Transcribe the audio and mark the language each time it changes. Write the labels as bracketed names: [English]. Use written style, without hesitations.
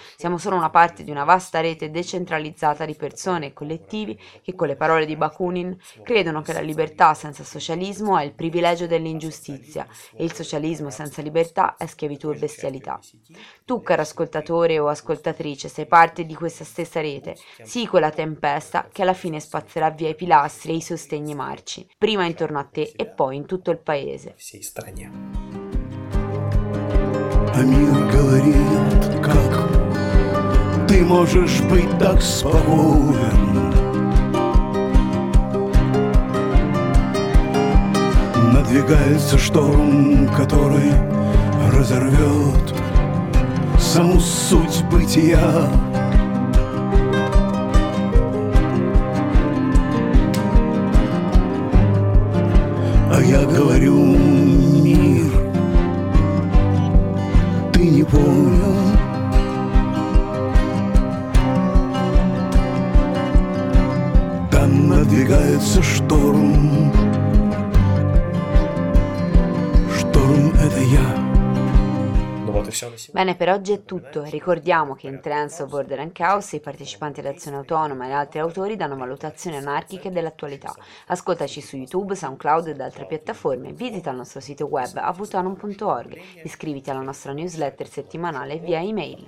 [Italian] Siamo solo una parte di una vasta rete decentralizzata di persone e collettivi che, con le parole di Bakunin, credono che la libertà senza socialismo è il privilegio dell'ingiustizia e il socialismo senza libertà è schiavitù e bestialità. Tu, caro ascoltatore o ascoltatrice, sei parte di questa stessa rete, sii quella tempesta che alla fine spazzerà via i pilastri e i sostegni marci, prima intorno a te e poi in tutto il paese. [Russian] Амир говорит, как ты можешь быть так спокоен? Надвигается шторм, который разорвет саму суть бытия. А я говорю, мир, ты не понял. Там надвигается шторм, шторм — это я. [Italian] Bene, per oggi è tutto. Ricordiamo che in Trans of Order and Chaos i partecipanti all'azione autonoma e altri autori danno valutazioni anarchiche dell'attualità. Ascoltaci su YouTube, SoundCloud ed altre piattaforme. Visita il nostro sito web avutano.org. Iscriviti alla nostra newsletter settimanale via email.